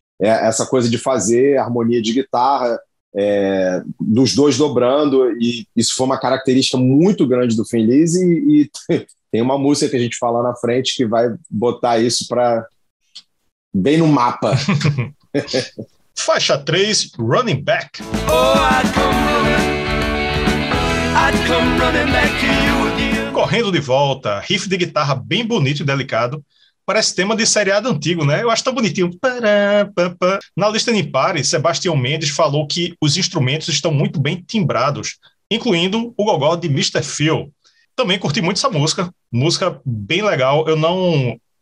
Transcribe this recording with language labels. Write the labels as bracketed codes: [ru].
[pt] É essa coisa de fazer harmonia de guitarra, dos dois dobrando, e isso foi uma característica muito grande do Thin Lizzy e tem uma música que a gente fala na frente que vai botar isso para bem no mapa. Faixa 3, Running Back. [en] Oh, I'd come running back to you again. [pt] Correndo de volta, riff de guitarra bem bonito e delicado. Parece tema de seriado antigo, né? Eu acho tão bonitinho. Na lista de pares, Sebastião Mendes falou que os instrumentos estão muito bem timbrados, incluindo o gogó de Mr. Phil. Também curti muito essa música, música bem legal. Eu não